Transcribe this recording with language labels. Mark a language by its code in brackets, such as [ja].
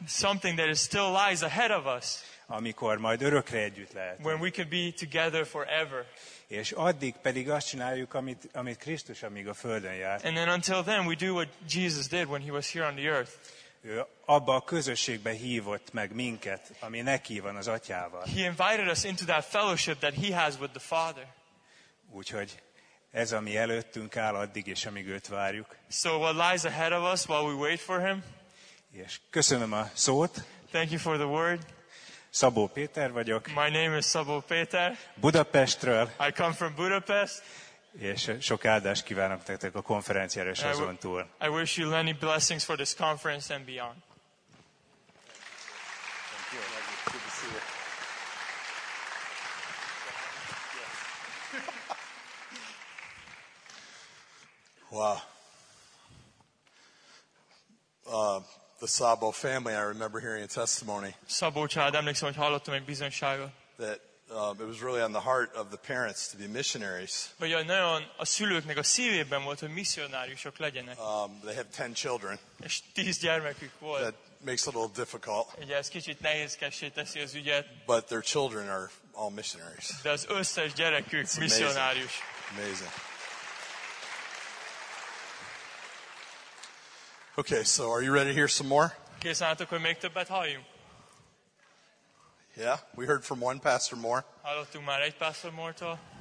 [en] Something that is still lies ahead of us. [hu] Amikor majd örökre együtt lehetünk. [en] When we can be together forever. [hu] És addig pedig azt csináljuk, amit Krisztus, amíg a földön járt. [en] And then until then we do what Jesus did when he was here on the earth. [hu] Ő abba a közösségbe hívott meg minket, ami neki van az atyával. [en] He invited us into that fellowship that he has with the Father. [hu] Úgyhogy ez, ami előttünk áll addig, és amíg őt várjuk. [en] So what lies ahead of us while we wait for him? [hu] És köszönöm a szót. [en] Thank you for the word. [hu] Szabó Péter vagyok. [en] My name is Szabó Péter. [hu] Budapestről. [en] I come from Budapest. [hu] És sok áldást kívánok nektek a konferenciára és azon túl. [en] I wish you many blessings for this conference and beyond. Thank you. Good to see you. Wow. The Szabó family, I remember hearing a testimony. [hu] Szabó család, emlékszem, hogy hallottam egy bizonyságot. [en] That it was really on the heart of the parents to be missionaries. [hu] Vagy nagyon a szülőknek a szívében volt, hogy misszionáriusok legyenek. [en] They have 10 children. [hu] És 10 gyermekük volt. [en] That makes it a little difficult. [hu] Ugye ez kicsit nehézkessé teszi az ügyet. [en] But their children are all missionaries. [hu] De az összes gyerekük misszionárius. [en] Amazing. Okay, so are you ready to hear some more? [hu] Készenátok, hogy még többet halljunk? [en] Yeah, we heard from one pastor more. [hu] Hallottunk már egy pastor mortól.